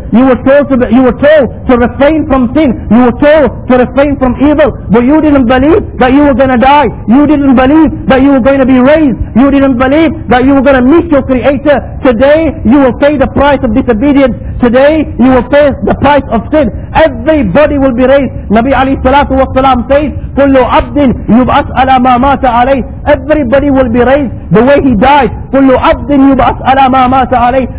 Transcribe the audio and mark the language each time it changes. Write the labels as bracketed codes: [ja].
[en] You were told to refrain from sin. You were told to refrain from evil. But you didn't believe that you were going to die. You didn't believe that you were going to be raised. You didn't believe that you were going to meet your Creator. Today, you will pay the price of disobedience. Today, you will pay the price of sin. Everybody will be raised. [ar] Nabi alayhi salatu wa salam says, كل عبد يبعث على ما مات عليه. [en] Everybody will be raised the way he died. [ar] كل عبد يبعث على ما مات عليه.